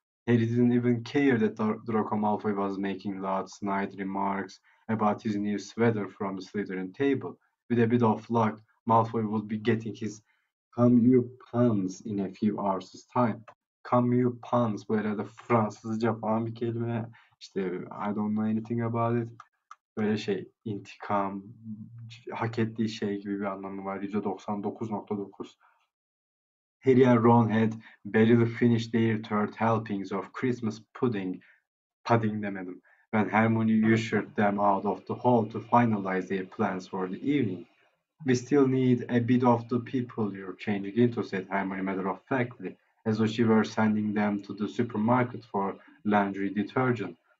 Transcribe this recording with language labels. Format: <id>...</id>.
<en>Harry didn't even care that Draco Malfoy was making loud snide remarks about his new sweater from the Slytherin table. With a bit of luck, Malfoy would be getting his comeuppance in a few hours' time.</en> <tr>Comeuppance, böyle de Fransızca falan bir kelime.</tr> <en>İşte I don't know anything about it.</en> <tr>Böyle şey, intikam, hak ettiği şey gibi bir anlamı var. %99.9.</tr> <en>Harry and Ron had barely finished their third helpings of Christmas pudding</en> <tr>demedim,</tr> <en>when Hermione ushered them out of the hall to finalize their plans for the evening. We still need a bit of the people you're changing into, said Hermione matter-of-factly, as though she were sending them to the supermarket for laundry detergent.</en>